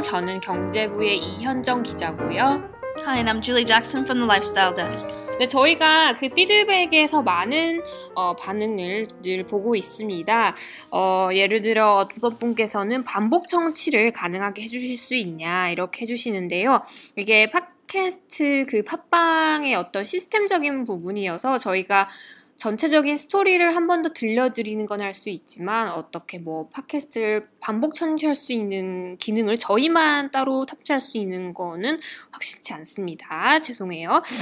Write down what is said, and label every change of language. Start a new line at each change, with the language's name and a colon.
Korean: 저는 경제부의 이현정 기자고요.
English: Hi, and I'm Julie Jackson from the Lifestyle Desk.
Korean: 네, 저희가 그 피드백에서 많은 반응을 늘 보고 있습니다. 예를 들어 어떤 분께서는 반복 청취를 가능하게 해주실 수 있냐 이렇게 해주시는데요. 이게 팟캐스트 그 팟빵의 어떤 시스템적인 부분이어서 저희가 전체적인 스토리를 한 번 더 들려드리는 건 할 수 있지만 어떻게 뭐 팟캐스트를 반복 청취할 수 있는 기능을 저희만 따로 탑재할 수 있는 거는 확실치 않습니다. 죄송해요.